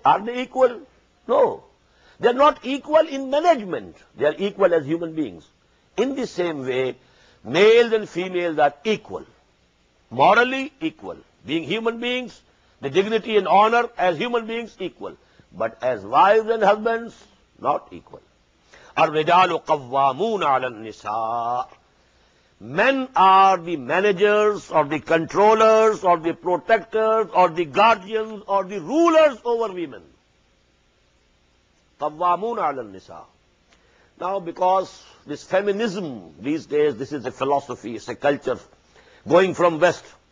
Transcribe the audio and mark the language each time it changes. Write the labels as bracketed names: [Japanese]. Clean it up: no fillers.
[English] Are they equal? No. They are not equal in management. They are equal as human beings. In the same way, males and females are equal, morally equal. Being human beings, the dignity and honor as human beings equal. But as wives and husbands, not equal. [Arabic] الرجال قوامون على النساء. [English] Men are the managers or the controllers or the protectors or the guardians or the rulers over women. [Arabic] قوامون على النساء. [English] Now, because this feminism these days, this is a philosophy, it's a culture going from west.